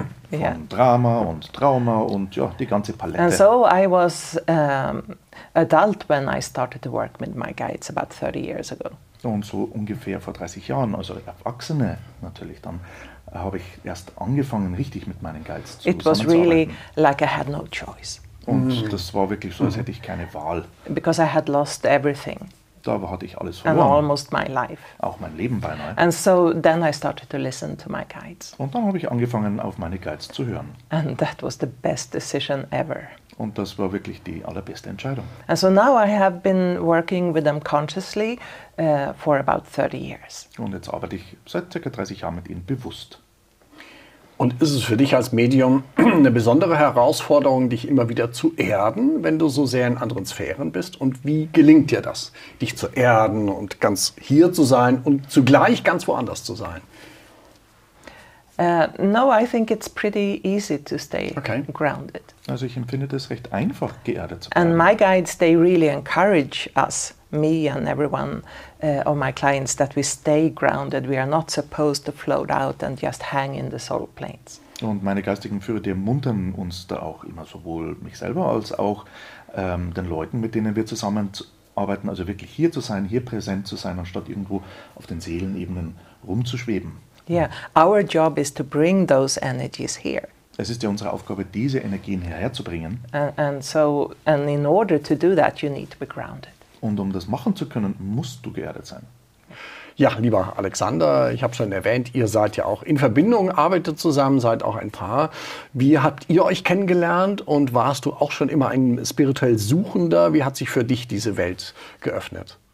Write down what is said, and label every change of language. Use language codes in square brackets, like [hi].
[de] Von Drama und Trauma und ja, die ganze Palette. [en] And so I was adult when I started to work with my guides about 30 years ago. [de] Und so ungefähr vor 30 Jahren, also Erwachsene natürlich dann, habe ich erst angefangen, richtig mit meinen Guides zu arbeiten. [en] It was really like I had no choice. [de] Und das war wirklich so, als hätte ich keine Wahl. [en] Because I had lost everything. [de] Da hatte ich alles verloren. [en] And almost my life. [de] Auch mein Leben beinahe. [en] And so then I started to listen to my guides. [de] Und dann habe ich angefangen, auf meine Guides zu hören. [en] And that was the best decision ever. [de] Und das war wirklich die allerbeste Entscheidung. [en] And so now I have been working with them consciously for about 30 years. [de] Und jetzt arbeite ich seit ca. 30 Jahren mit ihnen bewusst. Und ist es für dich als Medium eine besondere Herausforderung, dich immer wieder zu erden, wenn du so sehr in anderen Sphären bist? Und wie gelingt dir das, dich zu erden und ganz hier zu sein und zugleich ganz woanders zu sein? [en] No, I think it's pretty easy to stay grounded. [de] Also ich empfinde das recht einfach, geerdet zu bleiben. [en] And my guides, they really encourage us, me and everyone of my clients, that we stay grounded. We are not supposed to float out and just hang in the soul planes. [de] Und meine geistigen Führer, die ermuntern uns da auch immer, sowohl mich selber als auch den Leuten, mit denen wir zusammenarbeiten, also wirklich hier zu sein, hier präsent zu sein, anstatt irgendwo auf den Seelenebenen rumzuschweben. [en] Yeah, our job is to bring those energies here. [de] Es ist ja unsere Aufgabe, diese Energien hierher zu bringen. [en] And in order to do that, you need to be grounded. [de] Und um das machen zu können, musst du geerdet sein. Ja, lieber Alexander, ich habe schon erwähnt, ihr seid ja auch in Verbindung, arbeitet zusammen, seid auch ein Paar. Wie habt ihr euch kennengelernt und warst du auch schon immer ein spirituell Suchender? Wie hat sich für dich diese Welt geöffnet?